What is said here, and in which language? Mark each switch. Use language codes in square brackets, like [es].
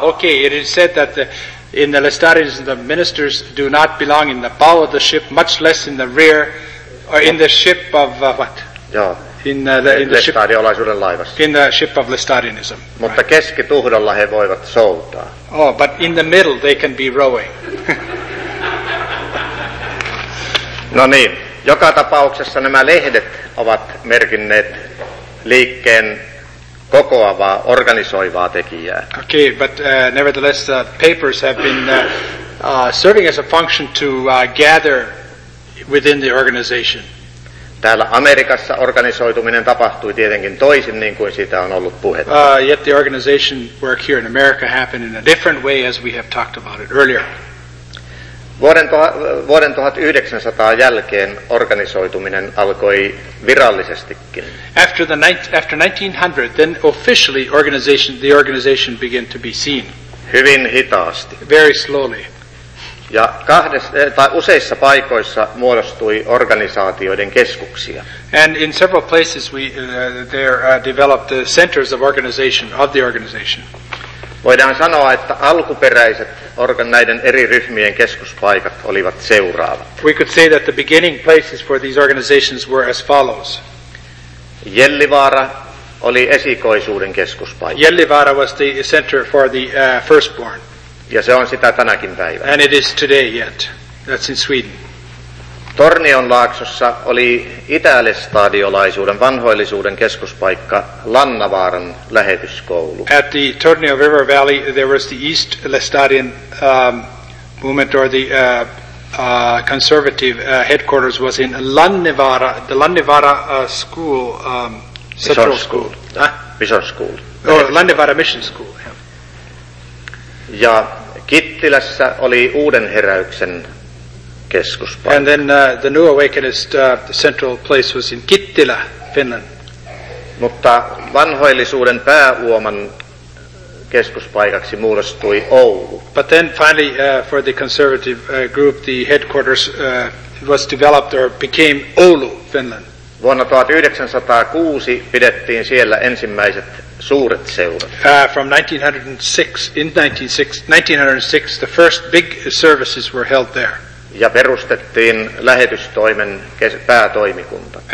[en] Okay, it is said that in the Lestadianism, the ministers do not belong in the bow of the ship, much less in the rear, or in the ship of what? [fi] Joo. [en] In the ship of Lestadianism. [fi] Mutta right. Keskituhdolla he voivat soutaa. [en] Oh, but in the middle they can be rowing. [fi] No niin, joka tapauksessa nämä lehdet ovat merkinneet liikkeen kokoavaa, organisoivaa tekijää. [en] Okay, but nevertheless the papers have been serving as a function to gather within the organization. [fi] Täällä Amerikassa organisoituminen tapahtui tietenkin toisin, niin kuin siitä on ollut puhetta. [en] Yet the organization work here in America happened in a different way as we have talked about it earlier. [fi] Vuoden 1900 jälkeen organisoituminen alkoi virallisestikin. [en] After 1900, then officially the organization began to be seen. [fi] Hyvin hitaasti. [en] Very slowly. [fi] Ja useissa paikoissa muodostui organisaatioiden keskuksia. [en] And in several places developed the centers of the organization. [fi] Voidaan sanoa, että alkuperäiset näiden eri ryhmien keskuspaikat olivat seuraavat. [en] We could say that the beginning places for these organizations were as follows. [fi] Gällivaara oli esikoisuuden keskuspaikka. [en] Gällivaara was the center for the firstborn. [fi] Ja se on sitä tänäkin päivänä. [en] And it is today yet. That's in Sweden. [fi] Tornionlaaksossa oli itälestadiolaisuuden vanhoillisuuden keskuspaikka Lannavaaran lähetyskoulu. [en] At the Tornio River Valley there was the East Lestadian movement or the conservative headquarters was in Lannavaara, the Lannavaara school, central school. Mission school. Lannavaara Mission School. [fi] Ja Kittilässä oli uuden heräyksen keskuspaikka. [en] And then the New Awakenist central place was in Kittilä, Finland. [fi] Mutta vanhoillisuuden pääuoman keskuspaikaksi muodostui Oulu. [en] But then finally for the conservative group the headquarters was developed or became Oulu, Finland. [fi] Vuonna 1906 pidettiin siellä ensimmäiset suuret seurat. [en] From 1906 the first big services were held there. [fi] Ja perustettiin lähetystoimen päätoimikunta.